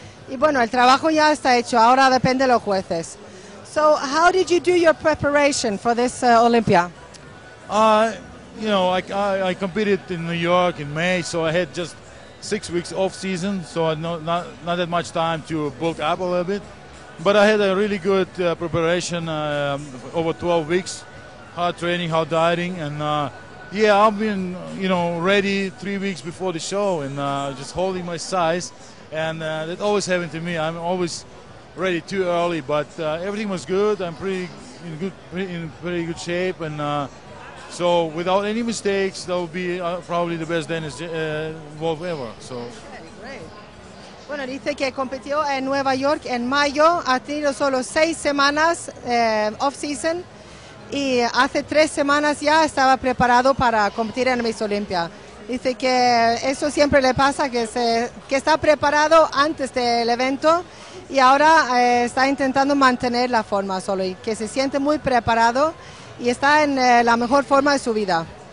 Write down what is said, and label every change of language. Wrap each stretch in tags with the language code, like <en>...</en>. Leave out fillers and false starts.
<es>Y bueno, el trabajo ya está hecho, ahora depende de los jueces.</es> <en>So, how did you do your preparation for this Olympia? I competed in New York in May, so I had just 6 weeks off season, so not that much time to bulk up a little bit. But I had a really good preparation over 12 weeks, hard training, hard dieting, and I've been, ready 3 weeks before the show and just holding my size. And that always happened to me. I'm always ready too early, but everything was good. I'm pretty good shape, and so without any mistakes, that would be probably the best Dennis Wolf ever. So. Okay, great.</en> <es>Bueno, dice que competió en Nueva York en mayo. Ha tenido solo 6 semanas off season, y hace 3 semanas ya estaba preparado para competir en Miss Olympia. Dice que eso siempre le pasa, que está preparado antes del evento y ahora está intentando mantener la forma solo y que se siente muy preparado y está en la mejor forma de su vida.</es>